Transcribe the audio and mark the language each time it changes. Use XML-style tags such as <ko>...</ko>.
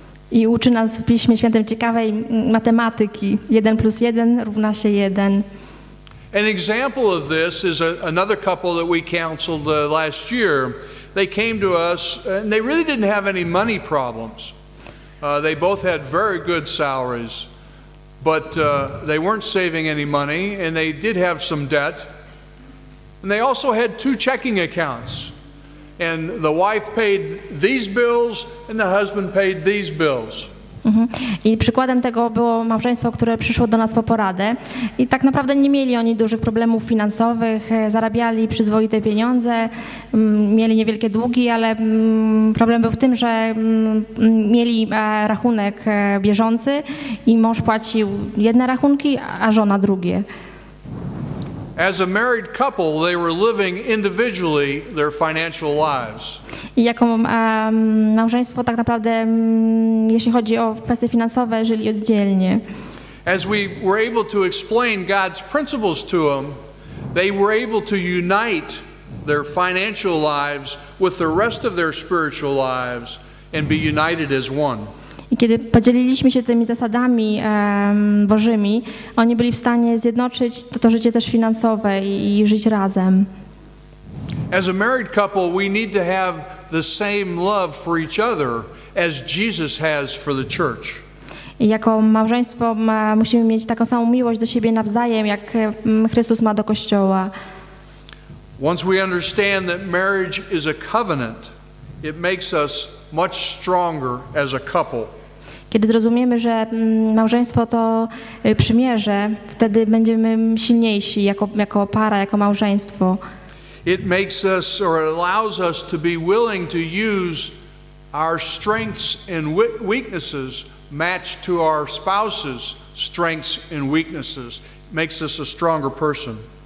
<pl>I uczy nas w Piśmie Świętym ciekawej matematyki. 1 + 1 = 1.</pl> <en>An example of this is another couple that we counseled last year. They came to us, and they really didn't have any money problems. They both had very good salaries, but they weren't saving any money, and they did have some debt. And they also had 2 checking accounts. And the wife paid these bills, and the husband paid these bills.</en> <pl>I przykładem tego było małżeństwo, które przyszło do nas po poradę. I tak naprawdę nie mieli oni dużych problemów finansowych, zarabiali przyzwoite pieniądze, mieli niewielkie długi, ale problem był w tym, że mieli rachunek bieżący i mąż płacił jedne rachunki, a żona drugie.</pl> <en>As a married couple, they were living individually their financial lives.</en> <pl>I jako małżeństwo tak naprawdę, jeśli chodzi o kwestie finansowe, żyli oddzielnie.</pl> <en>As we were able to explain God's principles to them, they were able to unite their financial lives with the rest of their spiritual lives and be united as one.</en> <pl>I kiedy podzieliliśmy się tymi zasadami Bożymi, oni byli w stanie zjednoczyć to życie też finansowe i żyć razem.</pl> <en>As a married couple, we need to have the same love for each other as Jesus has for the church.</en> <pl>I jako małżeństwo musimy mieć taką samą miłość do siebie nawzajem, jak Chrystus ma do Kościoła.</pl> <en>Once we understand that marriage is a covenant, it makes us much stronger as a couple.</en> <pl>Kiedy zrozumiemy, że małżeństwo to przymierze, wtedy będziemy silniejsi jako para, jako małżeństwo.</pl> <en>It makes us or allows us to be willing to use our strengths and weaknesses matched to our spouse's strengths and weaknesses. It makes us a stronger person.</en>